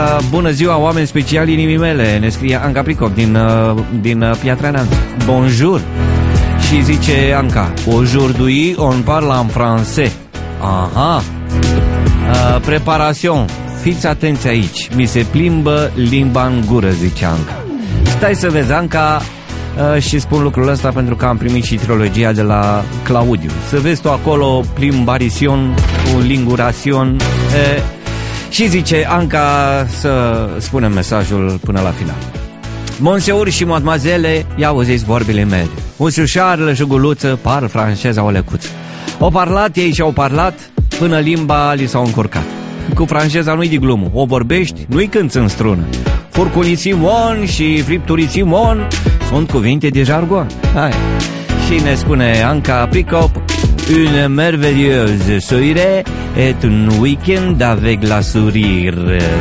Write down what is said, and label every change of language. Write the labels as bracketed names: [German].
[Romanian] Bună ziua, oameni speciali inimii mele, ne scrie Anca Prico din Piatra Neamț. [French] Bonjour. [Romanian] Și zice Anca, [French] aujourd'hui on parle en français. Aha. Préparation. [Romanian] Fiți atenți aici, mi se plimbă limba în gură, zice Anca. Stai să vezi, Anca, și spun lucrul ăsta pentru că am primit și trilogia de la Claudiu. Să vezi tu acolo plimbarision cu linguration. Și zice Anca, să spunem mesajul până la final. Monseur și mademoiselle, i-au zis vorbile mele. Monsieur Charles și Guguliță par franceza o lecuță. O parlat ei și au parlat până limba li s-au încurcat. Cu franceza nu-i de glumă, o vorbești, nu-i cânți în strună. Furculii Simon și fripturii Simon sunt cuvinte de jargon. Hai. Și ne spune Anca Picop, [French] une merveilleuse soirée est un week-end avec la sourire.